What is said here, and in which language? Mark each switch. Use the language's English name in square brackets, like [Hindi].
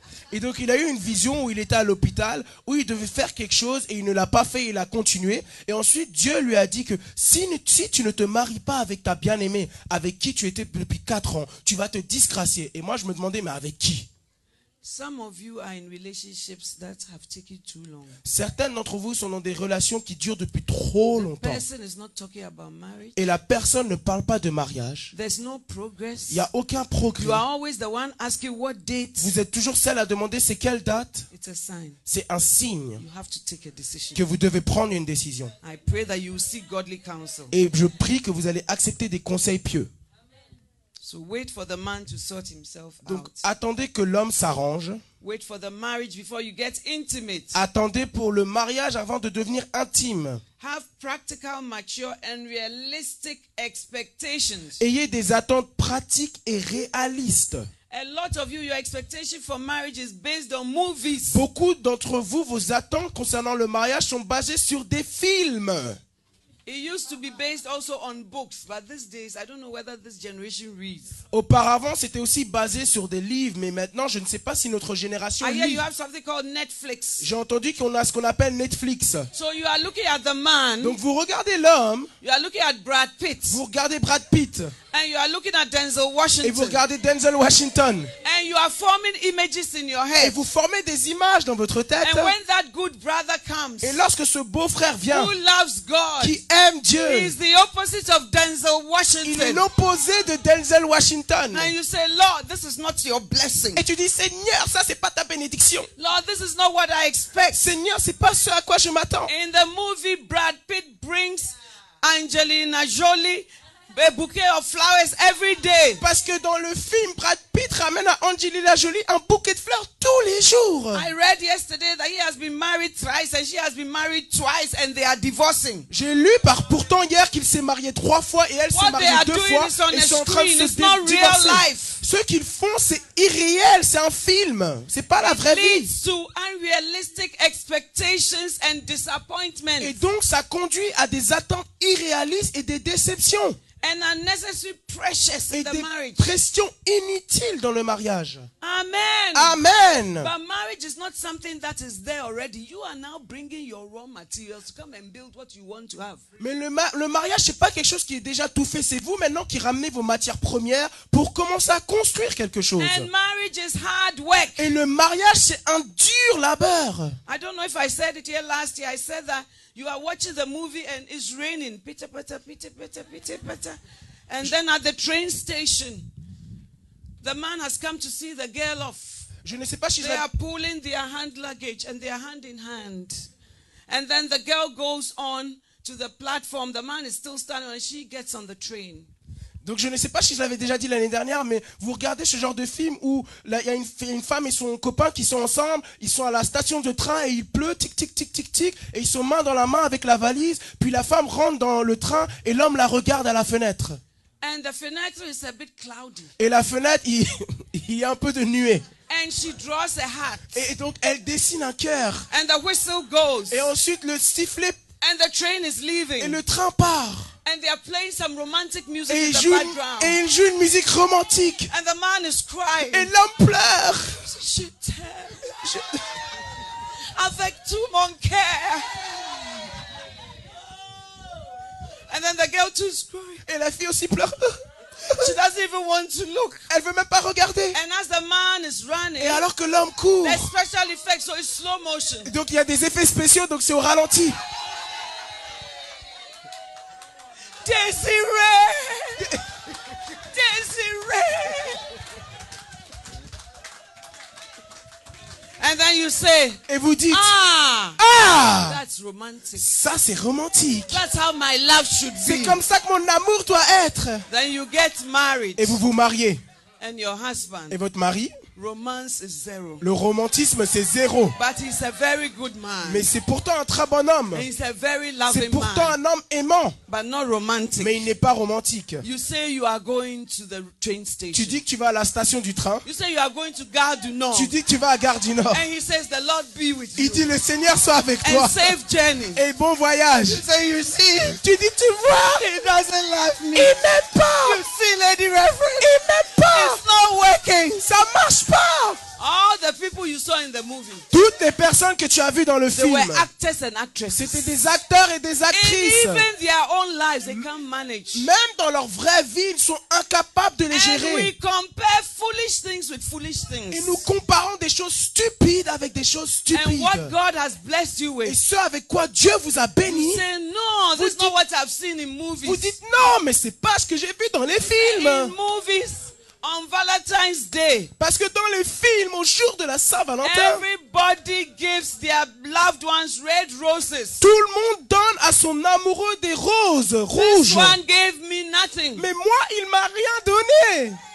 [French] Et donc il a eu une vision où il était à l'hôpital, où il devait faire quelque chose et il ne l'a pas fait, il a continué. Et ensuite Dieu lui a dit que si tu ne te maries pas avec ta bien-aimée, avec qui tu étais depuis 4 ans, tu vas te disgracier. Et moi je me demandais, mais avec qui? [English] Some of you are in relationships that have taken too long. [French] Certaines d'entre vous sont dans des relations qui durent depuis trop longtemps. [English] The person is not talking about marriage. [French] Et la personne ne parle pas de mariage. [English] There's no progress. [French] Il n'y a aucun progrès. [English] You are always the one asking what date. [French] Vous êtes toujours celle à demander c'est quelle date. [English] It's a sign. [French] C'est un signe. [English] You have to take a decision. [French] Que vous devez prendre une décision. [English] I pray that you will seek godly counsel. [French] Et je prie que vous allez accepter des conseils pieux. [English] So wait for the man to sort himself out. [French] Donc attendez que l'homme s'arrange. [English] Wait for the marriage before you get intimate. [French] Attendez pour le mariage avant de devenir intime. [English] Have practical, mature and realistic expectations. [French] Ayez des attentes pratiques et réalistes. [English] A lot of you, your expectation for marriage is based on movies. [French] Beaucoup d'entre vous, vos attentes concernant le mariage sont basées sur des films. [English] It used to be based also on books, but these days, I don't know whether this generation reads. [French] Auparavant, c'était aussi basé sur des livres, mais maintenant, je ne sais pas si notre génération lit. [English] I hear you have something called Netflix. [French] J'ai entendu qu'on a ce qu'on appelle Netflix. [English] So you are looking at the man. [French] Donc vous regardez l'homme. [English] You are looking at Brad Pitt. [French] Vous regardez Brad Pitt. [English] And you are looking at Denzel Washington. [French] Et vous regardez Denzel Washington. [English] And you are forming images in your head. [French] Et vous formez des images dans votre tête. [English] And when that good brother comes, [French] et lorsque ce beau frère vient, [English] who loves God, [French] qui aime Dieu, [English] he is the opposite of Denzel Washington. [French] Il est l'opposé de Denzel Washington. [English] And you say, Lord, this is not your blessing. [French] Et tu dis, Seigneur, ça c'est pas ta bénédiction. [English] Lord, this is not what I expect. [French] Seigneur, c'est pas ce à quoi je m'attends. [English] In the movie, Brad Pitt brings Angelina Jolie a bouquet of flowers every day. [French] Parce que dans le film, Brad Pitt ramène à Angelina Jolie un bouquet de fleurs tous les jours. [English] I read yesterday that he has been married thrice and she has been married twice and they are divorcing. [French] J'ai lu par pourtant hier qu'il s'est marié trois fois et elle s'est mariée deux fois et sont En train de [English] it's [French] se [English] not real life. [French] Ce qu'ils font, c'est irréel, c'est un film. C'est pas la vraie vie. [English] It leads to unrealistic expectations and disappointments. [French] Et donc, ça conduit à des attentes irréalistes et des déceptions. [English] And unnecessary precious in the marriage. [French] Des pressions inutiles dans le mariage. [English] Amen. [French] Amen. [English] But marriage is not something that is there already. You are now bringing your raw materials to come and build what you want to have. [French] Mais le mariage c'est pas quelque chose qui est déjà tout fait. C'est vous maintenant qui ramenez vos matières premières pour commencer à construire quelque chose. [English] And marriage is hard work. [French] Et le mariage c'est un dur labeur. [English] I don't know if I said it here last year. I said that. You are watching the movie and it's raining. Pitter patter, pitter patter, pitter patter. And then at the train station, the man has come to see the girl off. [French] Je ne sais pas si [English] they are pulling their hand luggage and they are hand in hand. And then the girl goes on to the platform. The man is still standing and she gets on the train. [French] Donc je ne sais pas si je l'avais déjà dit l'année dernière, mais vous regardez ce genre de film où il y a une femme et son copain qui sont ensemble, ils sont à la station de train et il pleut, tic tic tic tic tic, et ils sont main dans la main avec la valise, puis la femme rentre dans le train et l'homme la regarde à la fenêtre. [English] And the fenêtre is a bit cloudy. [French] Et la fenêtre, il y a un peu de nuée. [English] And she draws a hat. [French] Et donc elle dessine un cœur. [English] And the whistle goes. [French] Et ensuite le sifflet. [English] And the train is leaving. [French] Et le train part. [English] And they are playing some romantic music [French] et [English] in the background. [French] Et ils jouent une musique romantique. [English] And the man is crying. [French] Et l'homme pleure. Je t'aime. Avec tout mon cœur. [English] And then the girl too is crying. [French] Et la fille aussi pleure. [English] She doesn't even want to look. [French] Elle veut même pas regarder. [English] And as the man is running, [French] et alors que l'homme court. [English] There's special effects, so it's slow motion. [French] Donc il y a des effets spéciaux, donc c'est au ralenti. Desiree! Desiree! [English] And then you say, [French] et vous dites, [English] that's romantic. [French] Ça c'est romantique. [English] That's how my love should be. [French] C'est comme ça que mon amour doit être. [English] Then you get married. [French] Et vous vous mariez. [English] And your husband. [French] Et votre mari. [English] Romance is zero. [French] Le romantisme c'est zéro. [English] But he's a very good man. [French] Mais c'est pourtant un très bon homme. [English] And he's a very loving [French] man. C'est pourtant un homme aimant. [English] But not romantic. [French] Mais il n'est pas romantique. [English] You say you are going to the train station. [French] Tu dis que tu vas à la station du train. [English] You say you are going to Gare du Nord. [French] Tu dis que tu vas à Gare du Nord. [English] And he says the Lord be with you. [French] Il dit le Seigneur soit avec toi. [English] And safe journey. [French] Et bon voyage. [English] You say you see. [French] Tu dis tu vois. [English] He doesn't love me. [French] Il m'aime pas. [English] You see, Lady Reverend. [French] Il m'aime pas. [English] It's not working. [French] Ça marche. [English] All the people you saw in the movie. [French] Toutes les personnes que tu as vues dans le film. [English] They were actors and actresses. [French] C'était des acteurs et des actrices. [English] And even their own lives, they can't manage. [French] Même dans leur vraie vie, ils sont incapables de les [English] and [French] gérer. [English] We compare foolish things with foolish things. [French] Et nous comparons des choses stupides avec des choses stupides. [English] And what God has blessed you with. [French] Et ce avec quoi Dieu vous a béni. [English] You say, no, this is not what I've seen in movies. [French] Vous dites non, mais c'est pas ce que j'ai vu dans les films. [English] In movies. On Valentine's Day, [French] parce que dans les films au jour de la Saint-Valentin, [English] everybody gives their loved ones red roses. [French] Tout le monde donne à son amoureux des roses [English] this [French] rouges. [English] One gave me nothing. [French] Mais moi, il m'a rien donné.